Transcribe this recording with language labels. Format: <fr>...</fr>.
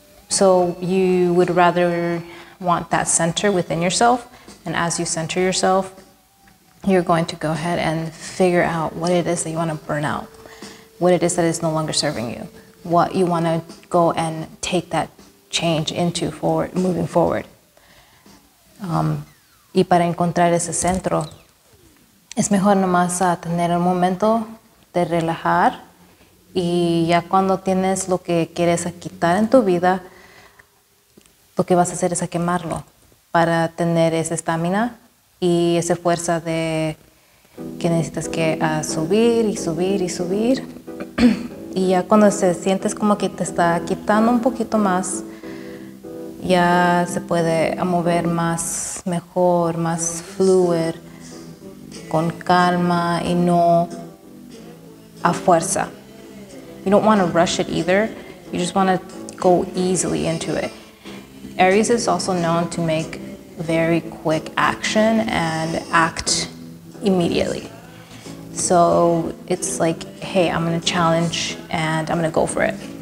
<en>So you would rather want that center within yourself, and as you center yourself, you're going to go ahead and figure out what it is that you want to burn out, what it is that is no longer serving you, what you want to go and take that change into forward, moving forward.</en> <es>Y para encontrar ese centro, es mejor nomás a tener un momento de relajar y ya cuando tienes lo que quieres quitar en tu vida, lo que vas a hacer es a quemarlo para tener esa estamina y esa fuerza de que necesitas que a subir y subir y subir. Y ya cuando se sientes como que te está quitando un poquito más, ya se puede mover más mejor, más fluir, con calma y no a fuerza.</es> <en>You don't want to rush it either. You just want to go easily into it. Aries is also known to make very quick action and act immediately. So it's like, hey, I'm going to challenge and I'm going to go for it.</en>